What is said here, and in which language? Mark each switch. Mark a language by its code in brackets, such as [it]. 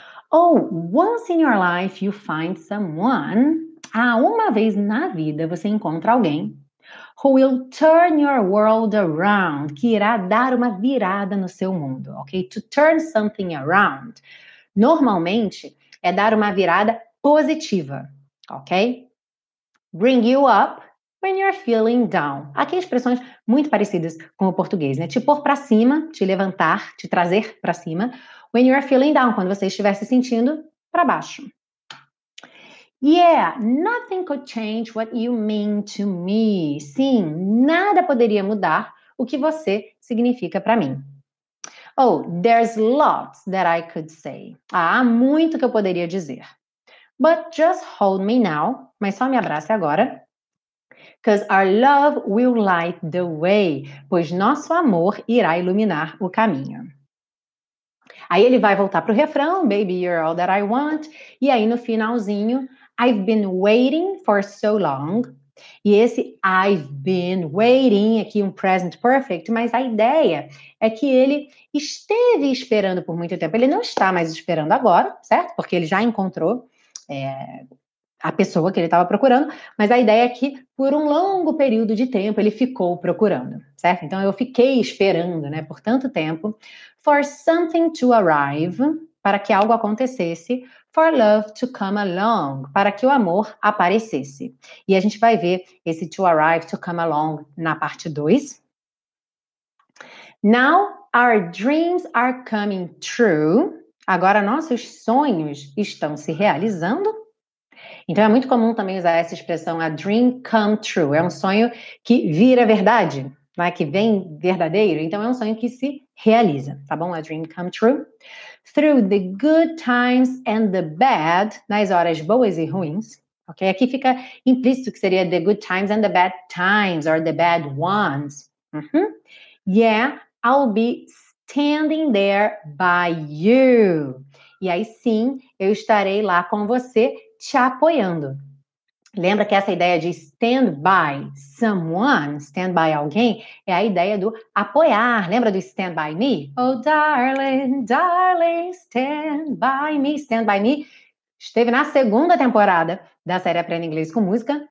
[en] Oh, once in your life you find someone... [pt] Ah, uma vez na vida você encontra alguém [en] who will turn your world around, [pt] que irá dar uma virada no seu mundo, ok? To turn something around, normalmente, é dar uma virada positiva, ok? [en] Bring you up when you're feeling down. [pt] Aqui expressões muito parecidas com o português, né? Te pôr pra cima, te levantar, te trazer pra cima, [en] when you're feeling down, [pt] quando você estiver se sentindo pra baixo. [en] Yeah, nothing could change what you mean to me. [pt] Sim, nada poderia mudar o que você significa para mim. [en] Oh, there's lots that I could say. [pt] Ah, há muito que eu poderia dizer. [en] But just hold me now. [pt] Mas só me abrace agora. [en] Because our love will light the way. [pt] Pois nosso amor irá iluminar o caminho. Aí ele vai voltar pro refrão. [en] Baby, you're all that I want. [pt] E aí no finalzinho... [en] I've been waiting for so long. [pt] E esse I've been waiting, aqui um present perfect, mas a ideia é que ele esteve esperando por muito tempo. Ele não está mais esperando agora, certo? Porque ele já encontrou a pessoa que ele estava procurando, mas a ideia é que por um longo período de tempo ele ficou procurando, certo? Então eu fiquei esperando, né, por tanto tempo, [en] for something to arrive, [pt] para que algo acontecesse, [en] for love to come along, [pt] para que o amor aparecesse. E a gente vai ver esse to arrive, to come along na parte 2. [en] Now our dreams are coming true. [pt] Agora nossos sonhos estão se realizando. Então é muito comum também usar essa expressão, [en] a dream come true. [pt] É um sonho que vira verdade, né? Que vem verdadeiro. Então é um sonho que se realiza, tá bom? [en] A dream come true. Through the good times and the bad, [pt] nas horas boas e ruins, ok? Aqui fica implícito que seria [en] the good times and the bad times, or the bad ones. Uhum. Yeah, I'll be standing there by you. [pt] E aí sim, eu estarei lá com você, te apoiando. Lembra que essa ideia de stand by someone, stand by alguém, é a ideia do apoiar. Lembra do stand by me? [en] Oh, darling, darling, stand by me, [pt] esteve na segunda temporada da série Aprenda Inglês com Música.